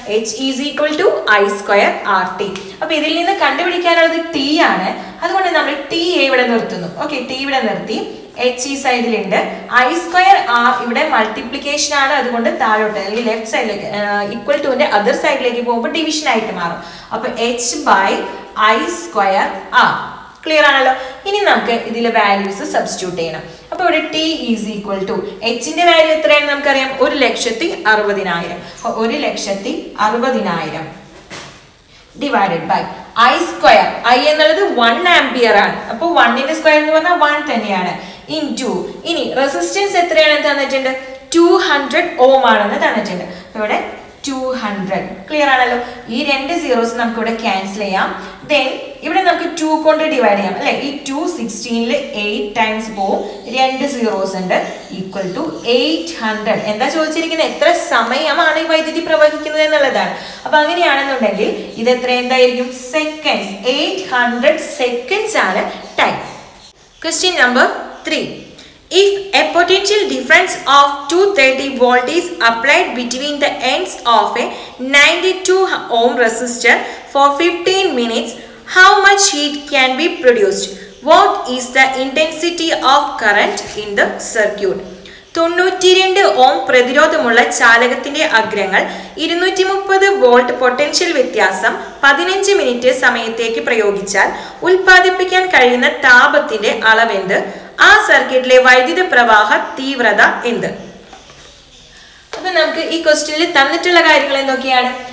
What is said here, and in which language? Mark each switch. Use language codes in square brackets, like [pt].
[en] H is equal to I square RT. [ml] അപ്പോൾ ഇതിൽ നിന്ന് കണ്ടുപിടിക്കാനുള്ളത് T ആണ്. അതുകൊണ്ട് നമ്മൾ T ഇവിടെ നിർത്തുന്നു. ഓക്കേ T ഇവിടെ നിർത്തി H ഈ സൈഡിൽ ഉണ്ട്. I square R ഇവിടെ മൾട്ടിപ്ലിക്കേഷൻ ആണ്. അതുകൊണ്ട് താഴോട്ട് അല്ലെങ്കിൽ ലെഫ്റ്റ് സൈഡിലേക്ക് ഈക്വൽ ടു ന്റെ അദർ സൈഡിലേക്ക് പോകുമ്പോൾ ഡിവിഷൻ ആയിട്ട് മാറും. അപ്പോൾ [en] H by I square R. [ml] Clear ആണല്ലോ. ഇനി നമുക്ക് ഇതിലെ വാല്യൂസ് സബ്സ്റ്റിറ്റ്യൂട്ട് ചെയ്യണം. അപ്പോൾ ഇവിടെ [en] T is equal to H [ml] ന്റെ വാല്യൂ എത്രയാണ് നമുക്കറിയാം? 160000. അപ്പോൾ [en] 160000 divided by I square. [ml] I എന്നുള്ളത് 1 ആമ്പിയർ ആണ്. അപ്പോൾ 1 ന്റെ സ്ക്വയർ എന്ന് പറഞ്ഞാൽ 1 തന്നെയാണ്. Into ഇനി റെസിസ്റ്റൻസ് എത്രയാണ് തന്നിട്ടുണ്ട്? 200 ohm ആണെന്ന് തന്നിട്ടുണ്ട്. അപ്പോൾ ഇവിടെ 200. Clear ആണല്ലോ. ഈ രണ്ട് സീറോസ് നമുക്ക് ഇവിടെ ക്യാൻസൽ ചെയ്യാം. ദെൻ ഇവിടെ നമുക്ക് 2 കൊണ്ട് ഡിവൈഡ് ചെയ്യാം അല്ലേ. ഈ 216 8 ടൈംസ് പോകും. രണ്ട് സീറോസ് ഉണ്ട്. Equal to 800. എന്താ ചോദിച്ചിരിക്കുന്നത്? എത്ര സമയമാണ് ഈ വൈദ്യുതി പ്രവഹിക്കുന്നത് എന്നുള്ളതാണ്. അപ്പൊ അങ്ങനെയാണെന്നുണ്ടെങ്കിൽ ഇത് എത്ര എന്തായിരിക്കും? സെക്കൻഡ്സ്. 800 സെക്കൻഡ്സ് ആണ് time. Question number 3. [en] If a potential difference of 230 volt is applied between the ends of a 92 ohm resistor for 15 minutes, how much heat can be produced? What is the intensity of current in the circuit? [ml] 92 ohm പ്രതിരോധമുള്ള ചാലകത്തിന്റെ അഗ്രങ്ങൾ 230 volt potential വ്യത്യാസം 15 minute സമയത്തേക്ക് പ്രയോഗിച്ചാൽ ഉൽപ്പാദിപ്പിക്കാൻ കഴിയുന്ന താപത്തിന്റെ അളവെന്ത്? ആ സർക്യൂട്ടിലെ വൈദ്യുത പ്രവാഹ തീവ്രത എന്ത്? അപ്പൊ നമുക്ക് ഈ ക്വസ്റ്റ്യനിൽ തന്നിട്ടുള്ള കാര്യങ്ങൾ എന്തൊക്കെയാണ്?